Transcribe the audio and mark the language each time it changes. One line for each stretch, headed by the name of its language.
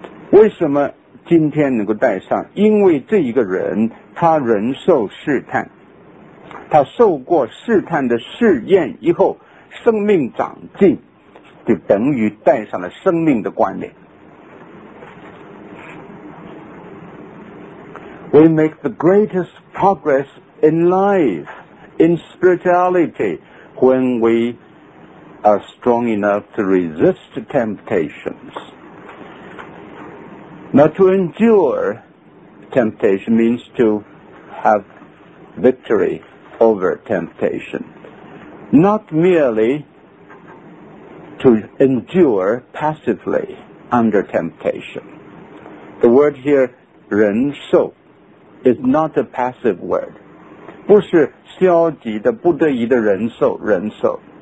Chinese: 为什么今天能够戴上？因为这一个人他忍受试探，他受过试探的试验以后，生命长进，就等于戴上了生命的冠冕。
English: We make the greatest progress in life, in spirituality, when we are strong enough to resist temptations. Now to endure temptation means to have victory over temptation. Not merely to endure passively under temptation. The word here, 忍受, is not a passive word.
Chinese: 不是消极的,不得已的忍受,忍受.